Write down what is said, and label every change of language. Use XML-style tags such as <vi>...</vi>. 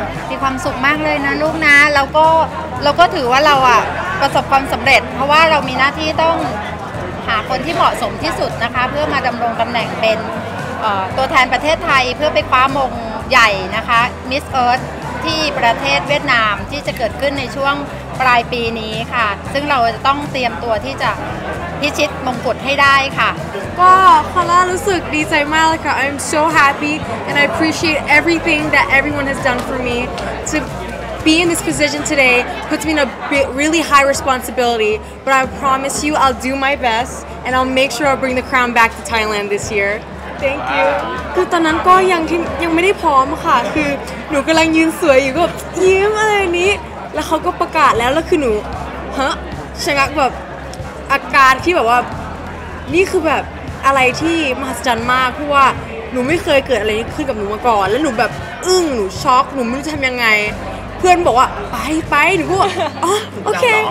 <th>มีความสุขมากเลยนะลูกนะเราก็ถือว่าเราอ่ะประสบความสำเร็จเพราะว่าเรามีหน้าที่ต้องหาคนที่เหมาะสมที่สุดนะคะเพื่อมาดำรงตำแหน่งเป็นตัวแทนประเทศไทยเพื่อไปคว้ามงใหญ่นะคะ Miss Earth ที่ประเทศเวียดนามที่จะเกิดขึ้นในช่วงปลายปีนี้ค่ะซึ่งเราจะต้องเตรียมตัวที่จะพิชิตมงกุฎให้ได้ค่ะ ก็คาร่ารู้สึกดีใจมากค่ะ</th> <en>I'm so happy and I appreciate everything that everyone has done for me toBeing in this position today puts me in a really high responsibility, but I promise you I'll do my best and I'll make sure I'll bring the crown back to Thailand this year. Thank you.</en> <th>คือตอนนั้นก็ยังไม่ได้พร้อมค่ะคือหนูกำลังยืนสวยอยู่ก็ยิ้มอะไรนี้แล้วเขาก็ประกาศแล้วคือหนูฮะชะงักแบบอาการที่แบบว่านี่คือแบบอะไรที่มหัศจรรย์มากเพราะว่าหนูไม่เคยเกิดอะไรนี้ขึ้นกับหนูมาก่อนแล้วหนูแบบอึ้งหนูช็อกหนูไม่รู้จะทำยังไงเพื่อนบอกว่าไปหนูก็โอเค</th>